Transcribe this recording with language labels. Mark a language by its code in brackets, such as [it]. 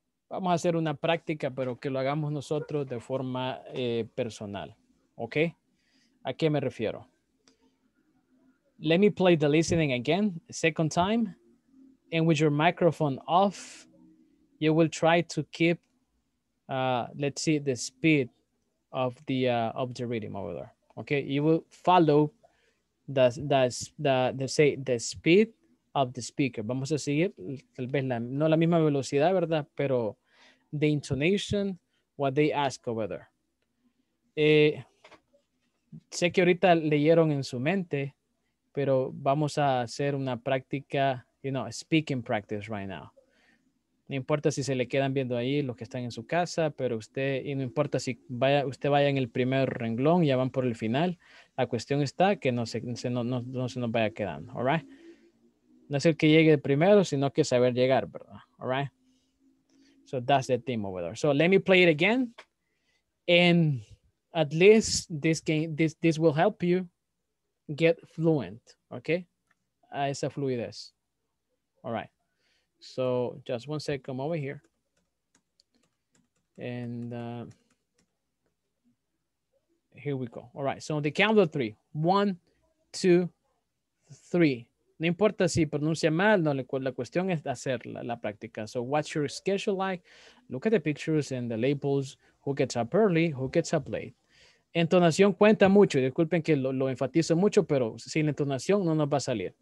[es] Vamos a hacer una práctica, pero que lo hagamos nosotros de forma personal. Okay? ¿A qué me refiero? [en] Let me play the listening again, second time. And with your microphone off, you will try to keep, let's see, the speed of the reading over there. Okay, you will follow the speed of the speaker. [es] Vamos a seguir, tal vez la, no la misma velocidad, ¿verdad? Pero [en] the intonation, what they ask over there. [es] Sé que ahorita leyeron en su mente, pero vamos a hacer una práctica, [en] you know, speaking practice right now. [es] No importa si se le quedan viendo ahí los que están en su casa, pero usted, y no importa si vaya, usted vaya en el primer renglón, ya van por el final. La cuestión está que no se nos vaya quedando, all right? No es el que llegue primero, sino que saber llegar, ¿verdad? [en] All right? So that's the theme over there. So let me play it again. And at least this game, this will help you get fluent, okay? [es] A esa fluidez. [en] All right. So just one second, come over here. And here we go. All right, so on the count of three. 1, 2, 3. [es] No importa si pronuncia mal, no, la cuestión es hacer la práctica. [en] So what's your schedule like? Look at the pictures and the labels. Who gets up early? Who gets up late? [es] Entonación cuenta mucho. Disculpen que lo enfatizo mucho, pero sin entonación no nos va a salir.